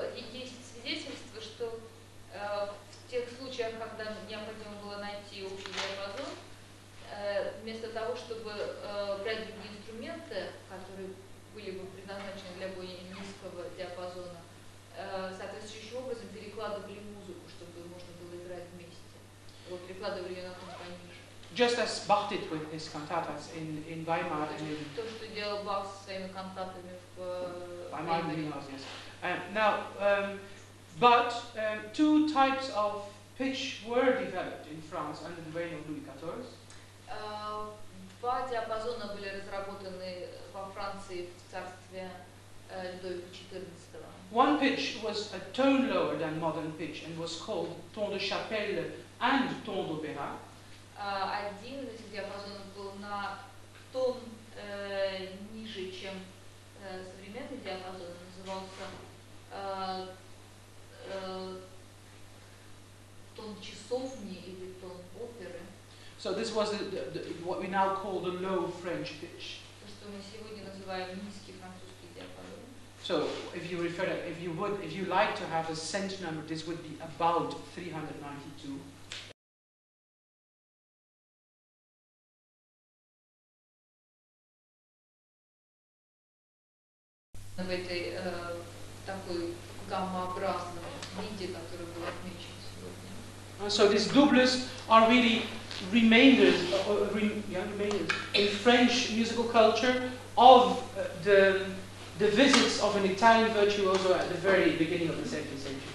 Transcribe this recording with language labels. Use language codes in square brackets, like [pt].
[ru] В тех случаях, когда необходимо было найти общий диапазон, вместо того, чтобы брать другие инструменты, которые были бы предназначены для более низкого диапазона, соответствующим образом перекладывали музыку, чтобы можно было играть вниз. Вот перекладывали ее на тон пониже. [en] Just as Bach did with his cantatas in Weimar. [ru] То, что делал Бах со своими кантатами в [en] Weimar. Yes. But two types of pitch were developed in France under the reign of Louis XIV. [ru] Два диапазона были разработаны во Франции в царстве Людовика XIV. [en] One pitch was a tone lower than modern pitch and was called ton de chapelle and ton d'opéra. [ru] Один из диапазонов был на тон ниже, чем современный диапазон, назывался тон часовни или тон оперы. [en] So this was the what we now call the low French pitch. [ru] То, что мы сегодня называем низкий французский диапазон. [en] So if you like to have a cent number, this would be about 392. [ru] в этой такой гаммообразном виде, который был отмечен сегодня. [en] So these doublets are really remainders, remainders in French musical culture of the visits of an Italian virtuoso at the very beginning of the 17th century.